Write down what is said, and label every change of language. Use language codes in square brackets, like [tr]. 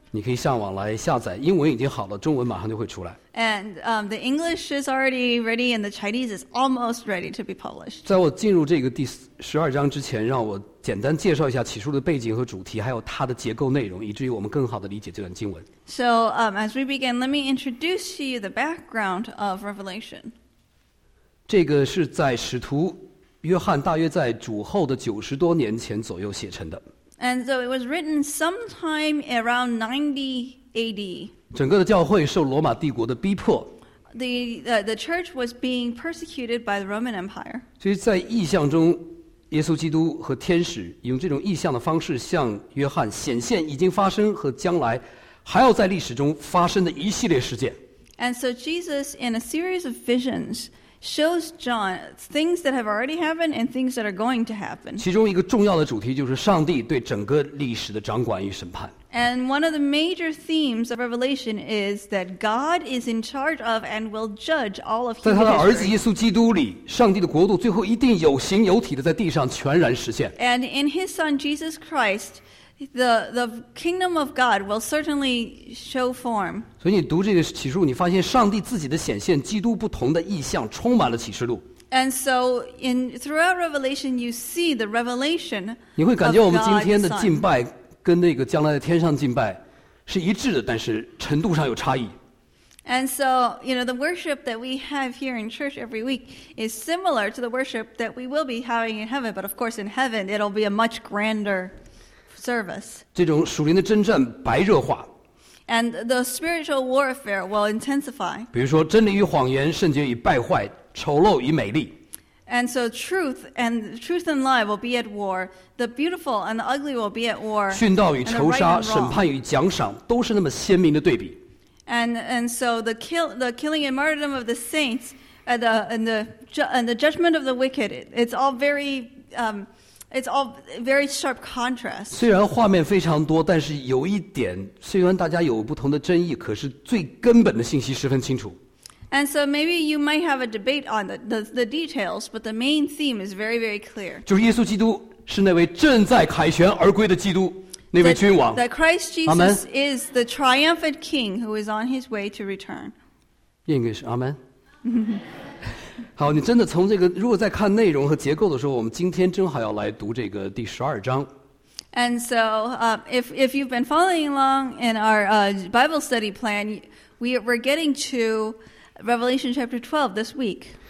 [zh] 你可以上网来下载，英文已经好了，中文马上就会出来。 [en] And the English is already ready, and the Chinese is almost ready to be published. [zh] 在我进入这个第十二章之前，让我简单介绍一下启示录的背景和主题，还有它的结构内容，以至于我们更好地理解这段经文。 [en] So as we begin, let me introduce to you the background of Revelation. [zh] 这个是在使徒约翰大约在主后的九十多年前左右写成的。 [en] And so it was written sometime around 90 AD. [zh] 整个的教会受罗马帝国的逼迫。 [en] The church was being persecuted by the Roman Empire. [zh] 所以在异象中，耶稣基督和天使用这种异象的方式向约翰显现已经发生和将来还要在历史中发生的一系列事件。 [en] And so Jesus, in a series of visions,shows John things that have already happened and things that are going to happen. [zh] 其中一个重要的主题就是上帝对整个历史的掌管与审判。 [en] And one of the major themes of Revelation is that God is in charge of and will judge all of human history. [zh] 在他的儿子耶稣基督里，上帝的国度最后一定有形有体的在地上全然实现。 [en] And in his son Jesus Christ,The kingdom of God will certainly show form. [zh] 所以你读这个启示录，你发现上帝自己的显现，基督不同的意象，充满了启示录。 [en] And so, in throughout Revelation, you see the revelation. [zh] 你会感觉我们今天的敬拜跟那个将来的天上敬拜是一致的，但是程度上有差异。 [en] And so, you know, the worship that we have here in church every week is similar to the worship that we will be having in heaven. But of course, in heaven, it'll be a much grander. Service. [zh] 这种属灵的征战白热化 [en] and the spiritual warfare will intensify. [zh] 比如说，真理与谎言，圣洁与败坏，丑陋与美丽 [en] and so truth and lie will be at war. The beautiful and the ugly will be at war. [zh] 殉道与仇杀，审判与奖赏，都是那么鲜明的对比 [en] and so the killing and martyrdom of the saints and the judgment of the wicked. It's all very It's all very sharp contrast. [zh] 虽然画面非常多，但是有一点，虽然大家有不同的争议，可是最根本的信息十分清楚。 [en] And so maybe you might have a debate on the details, but the main theme is very, very clear. [zh] 就是耶稣基督是那位正在凯旋而归的基督，那位君王。 [en] That Christ Jesus is the triumphant King who is on his way to return. English, Amen. [zh] 好，你真的从这个，如果在看内容和结构的时候，我们今天正好要来读这个第十二章。 [en] And so, if you've been following along in our Bible study plan, we're getting to Revelation chapter 12 this week.